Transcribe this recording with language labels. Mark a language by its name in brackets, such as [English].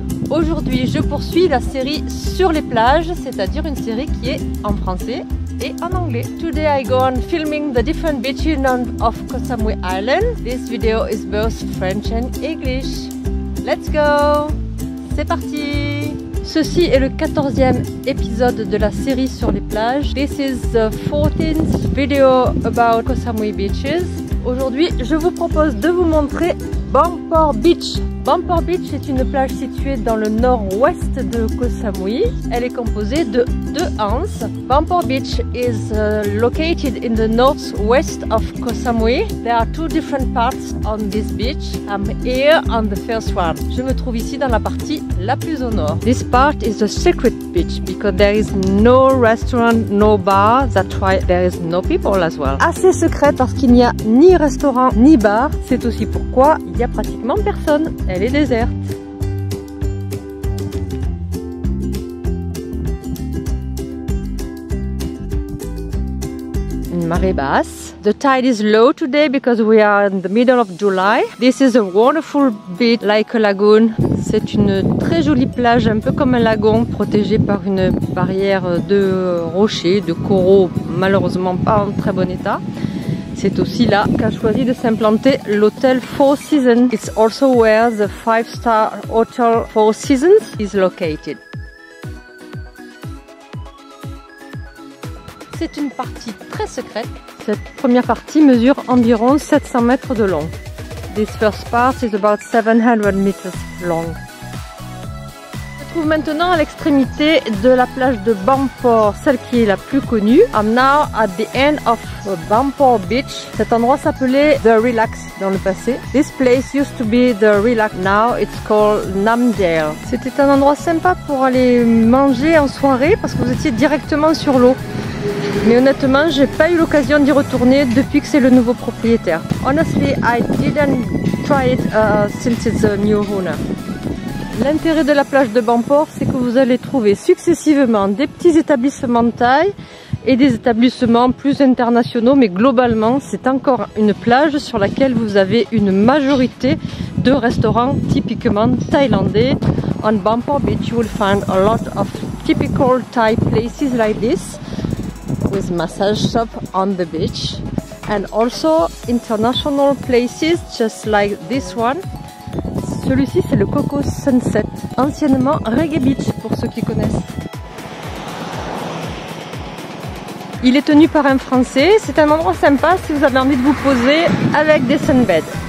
[French] Aujourd'hui je poursuis la série sur les plages, c'est-à-dire une série qui est en français et en anglais. [English] Today I go on filming the different beaches of Koh Samui Island. This video is both French and English. Let's go! [French] C'est parti! Ceci est le 14e épisode de la série sur les plages. [English] This is the 14th video about Koh Samui beaches. [French] Aujourd'hui, je vous propose de vous montrer Bangpor Beach. Bangpor Beach est une plage située dans le nord-ouest de Koh Samui. Elle est composée de deux anses. [English] Bangpor Beach is located in the northwest of Koh Samui. There are two different parts on this beach. I'm here on the first one. [French] Je me trouve ici dans la partie la plus au nord. [English] This part is a secret beach because there is no restaurant, no bar. That's why there is no people as well. [French] Assez secrète parce qu'il n'y a ni restaurant ni bar. C'est aussi pourquoi il n'y a pratiquement personne. Elle est déserte. Une marée basse. [English] The tide is low today because we are in the middle of July. This is a wonderful beach like a lagoon. [French] C'est une très jolie plage, un peu comme un lagon, protégée par une barrière de rochers, de coraux, malheureusement pas en très bon état. C'est aussi là qu'a choisi de s'implanter l'hôtel Four Seasons. [English] It's also where the 5-star hotel Four Seasons is located. [French] C'est une partie très secrète. Cette première partie mesure environ 700 mètres de long. [English] This first part is about 700 meters long. [French] Je me trouve maintenant à l'extrémité de la plage de Bangpor, celle qui est la plus connue. [English] I'm now at the end of Bangpor Beach. [French] Cet endroit s'appelait The Relax dans le passé. [English] This place used to be The Relax. Now it's called Namdaeal. [French] C'était un endroit sympa pour aller manger en soirée parce que vous étiez directement sur l'eau. Mais honnêtement, j'ai pas eu l'occasion d'y retourner depuis que c'est le nouveau propriétaire. [English] Honestly, I didn't try it since it's a new owner. [French] L'intérêt de la plage de Bangpor, c'est que vous allez trouver successivement des petits établissements de taille et des établissements plus internationaux, mais globalement, c'est encore une plage sur laquelle vous avez une majorité de restaurants typiquement thaïlandais. [English] On Bangpor Beach, you will find a lot of typical Thai places like this, with massage shop on the beach, and also international places just like this one. [French] Celui-ci, c'est le Coco Sunset, anciennement Reggae Beach pour ceux qui connaissent. Il est tenu par un Français, c'est un endroit sympa si vous avez envie de vous poser avec des sunbeds.